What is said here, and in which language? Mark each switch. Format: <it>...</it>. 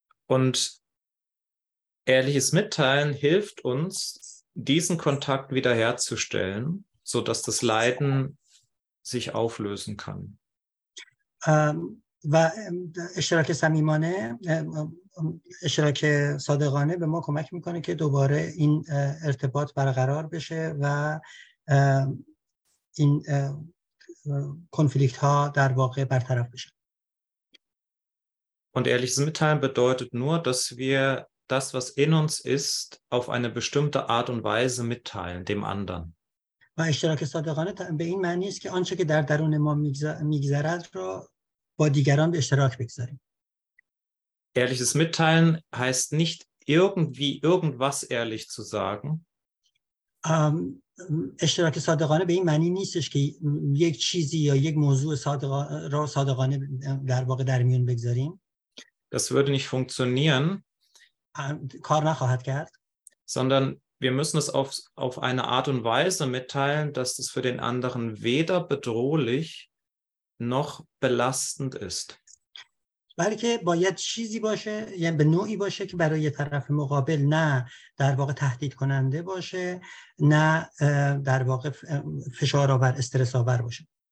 <de>Und ehrliches Mitteilen hilft uns, diesen Kontakt wiederherzustellen, sodass das Leiden sich auflösen kann.</de> <fa>و اشتراک صمیمانه اشتراک صادقانه به ما کمک میکنه که دوباره این ارتباط برقرار بشه و این کنفلیکت ها در واقع برطرف بشه.</fa> <de>Und ehrliches Mitteilen bedeutet nur, dass wir das, was in uns ist, auf eine bestimmte Art und Weise mitteilen, dem anderen.</de> <fa>و اشتراک صادقانه به این معنی است که آنچه که در درون ما میگذرد رو با دیگران به اشتراک بگذاریم.</fa> <de>Ehrliches Mitteilen heißt nicht irgendwie irgendwas ehrlich zu sagen.</de> <fa>اشتراک صادقانه به این معنی نیستش که یک چیزی یا یک موضوع صادقانه در واقع در میون بگذاریم.</fa> <de>Das würde nicht funktionieren.</de> <fa>کار نخواهد کرد.</fa> <de>Sondern wir müssen es auf eine Art und Weise mitteilen, dass es für den anderen weder bedrohlich noch belastend ist.</de> <fa>بلکه باید چیزی باشه، یعنی به نوعی باشه که برای طرف مقابل نه در واقع تهدید کننده باشه، نه در واقع فشار آور، استرس آور باشه.</fa>